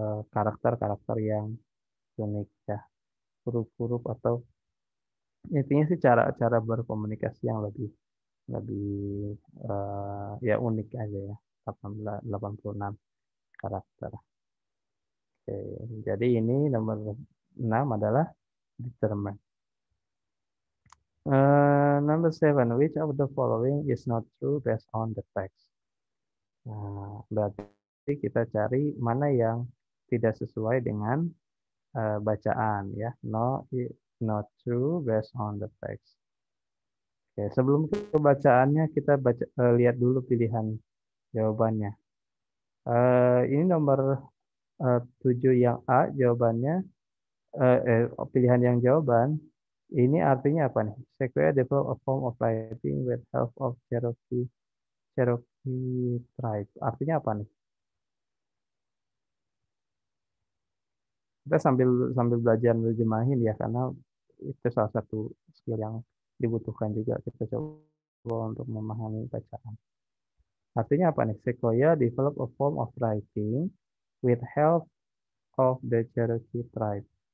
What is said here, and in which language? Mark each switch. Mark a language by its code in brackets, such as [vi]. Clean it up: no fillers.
[id] karakter-karakter yang unik ya huruf-huruf atau intinya sih cara-cara berkomunikasi yang lebih lebih ya unik aja ya 86 karakter. Oke, jadi ini nomor 6 adalah determine. [en] Number 7, which of the following is not true based on the text? [id] Nah, berarti kita cari mana yang tidak sesuai dengan bacaan ya. [en] No, not true based on the text. [id] Oke, sebelum ke bacaannya kita baca, lihat dulu pilihan jawabannya. Ini nomor 7 yang A jawabannya pilihan yang jawaban ini artinya apa nih? [en] Sequoia develop a form of writing with help of Cherokee Cherokee tribe. [id] Artinya apa nih? Kita sambil sambil belajar menerjemahin ya karena itu salah satu skill yang dibutuhkan juga kita coba untuk memahami bacaan. Artinya apa nih? [en] Sequoia develop a form of writing with help of the Cherokee tribe.